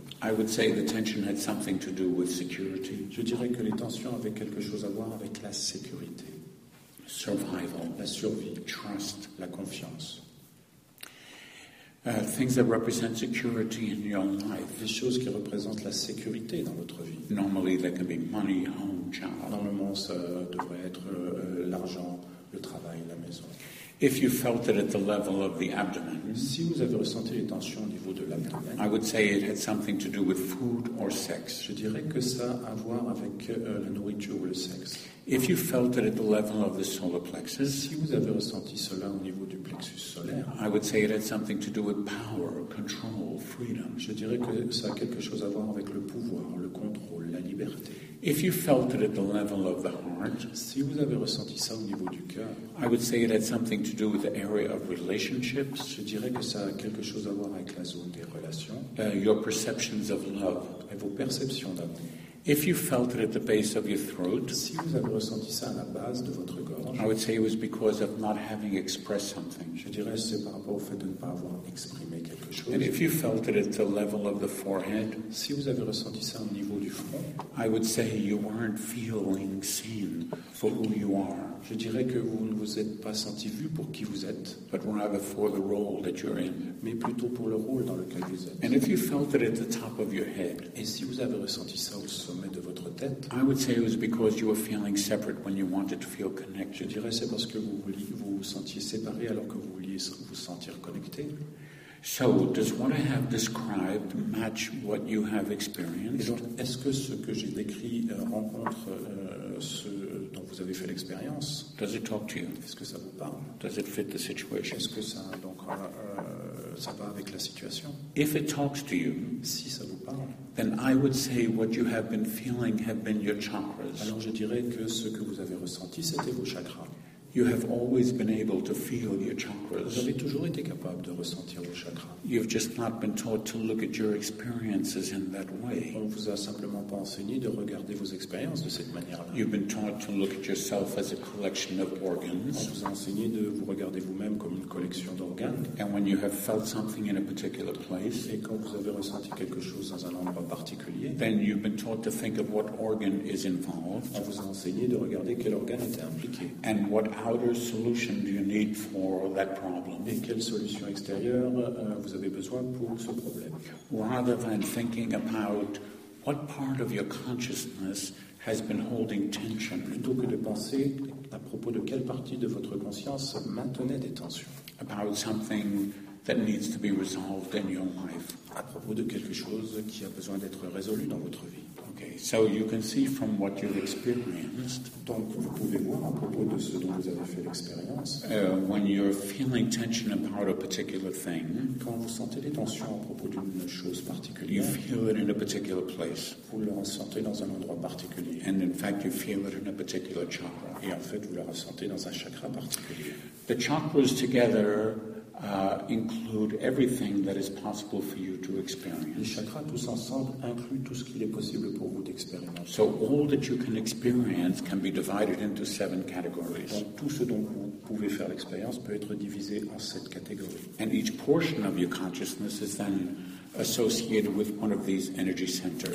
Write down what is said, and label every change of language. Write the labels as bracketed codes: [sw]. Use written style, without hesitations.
[en] I would say the tension had something to do with security. [fr] Je dirais que les tensions avaient quelque chose à voir avec la sécurité. [en] Survival. [fr] La survie. [en] Trust. [fr] La confiance. [en] Things that represent security in your life. [fr] Des choses qui représentent la sécurité dans votre vie. [en] Normally, there can be money, home, job. [fr] Normalement, ça devrait être l'argent, le travail, la maison. [en] If you felt it at the level of the abdomen, [fr] si vous avez ressenti les tensions au niveau de l'abdomen, [en] I would say it had something to do with food or sex. [fr] Je dirais que ça a à voir avec la nourriture ou le sexe. [en] If you felt it at the level of the solar plexus, [fr] si vous avez ressenti cela au niveau du plexus solaire, [en] I would say it had something to do with power, control, freedom. [fr] Je dirais que ça a quelque chose à voir avec le pouvoir, le contrôle, la liberté. [en] If you felt it at the level of the heart, [fr] si vous avez ressenti ça au niveau du cœur, [en] I would say it had something to do with the area of relationships. [fr] Je dirais que ça a quelque chose à voir avec la zone des relations. [en] Your perceptions of love, [fr] et vos perceptions d'amour. [en] If you felt it at the base of your throat, [fr] si vous avez ressenti ça à la base de votre gorge, [en] I would say it was because of not having expressed something. [fr] Je dirais c'est par rapport au fait de ne pas avoir exprimé quelque chose. [en] And if you felt it at the level of the forehead, [fr] si vous avez ressenti ça au niveau du front, [en] I would say you weren't feeling seen for who you are. [fr] Je dirais que vous ne vous êtes pas senti vu pour qui vous êtes, [en] but rather for the role that you're in. [fr] Mais plutôt pour le rôle dans lequel vous êtes. [en] And if you felt it at the top of your head, [fr] et si vous avez ressenti ça au sommet de votre tête, [en] I would say it was because you were feeling separate when you wanted to feel connected. [fr] Je dirais c'est parce que vous vouliez vous sentiez séparé alors que vous vouliez vous sentir connecté. [en] So does what I have described match what you have experienced? [fr] Et donc, est-ce que ce que j'ai décrit rencontre ce dont vous avez fait l'expérience? [en] Does it talk to you? [fr] Est-ce que ça vous parle? [en] Does it fit the situation? [fr] Est-ce que ça donc ça va avec la situation? [en] If it talks to you, [fr] si ça vous parle, [en] then I would say what you have been feeling have been your chakras. [fr] Alors je dirais que ce que vous avez ressenti, c'était vos chakras. [en] You have always been able to feel your chakras. [fr] Vous avez toujours été capable de ressentir vos chakras. [en] You've just not been taught to look at your experiences in that way. [fr] On vous a simplement pas enseigné de regarder vos expériences de cette manière-là. [en] You've been taught to look at yourself as a collection of organs. [fr] On vous a enseigné de vous regarder vous-même comme une collection d'organes. [en] And when you have felt something in a particular place, [fr] et quand vous avez ressenti quelque chose dans un endroit particulier, [en] then you've been taught to think of what organ is involved. [fr] On vous a enseigné de regarder quel organe était impliqué. [en] And what outer solution do you need for that problem? [fr] Et quelle solution extérieure vous avez besoin pour ce problème? [en] Rather than thinking about what part of your consciousness has been holding tension, [fr] plutôt que de penser à propos de quelle partie de votre conscience maintenait des tensions, [en] about something that needs to be resolved in your life, [fr] à propos de quelque chose qui a besoin d'être résolu dans votre vie. [en] Okay, so you can see from what you've experienced. [fr] Donc vous pouvez voir à propos de ce dont vous avez fait l'expérience. [en] When you're feeling tension about a particular thing, [fr] quand vous sentez des tensions à propos d'une chose particulière, [en] you feel it in a particular place. [fr] Vous le ressentez dans un endroit particulier. [en] And in fact, you feel it in a particular chakra. [fr] Et en fait, vous le ressentez dans un chakra particulier. [en] The chakras together include everything that is possible for you to experience. [fr] Les chakras tous ensemble incluent tout ce qu'il est possible pour vous d'expérimenter. [en] So all that you can experience can be divided into 7 categories. [fr] Donc tout ce dont vous pouvez faire l'expérience peut être divisé en 7 catégories. [en] And each portion of your consciousness is then associated with one of these energy centers.